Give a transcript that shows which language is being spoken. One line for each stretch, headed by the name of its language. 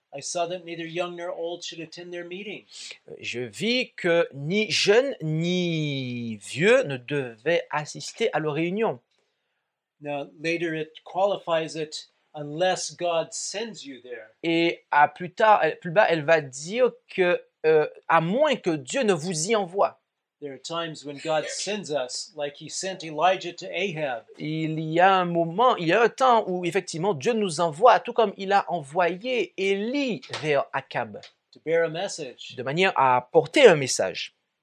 English: I saw that neither young nor old should attend their meetings.
French: Je vis que ni jeune ni vieux ne devait assister à leur réunion.
English: Now, later it qualifies it unless God sends you there.
French: Et à plus bas, elle va dire que à moins que Dieu ne vous y envoie.
English: There are times when God sends us, like He sent Elijah to Ahab.
French: Il y a un temps où effectivement Dieu nous envoie, tout comme il a envoyé Élie vers Akab.
English: To bear a message.
French: De manière à porter un message.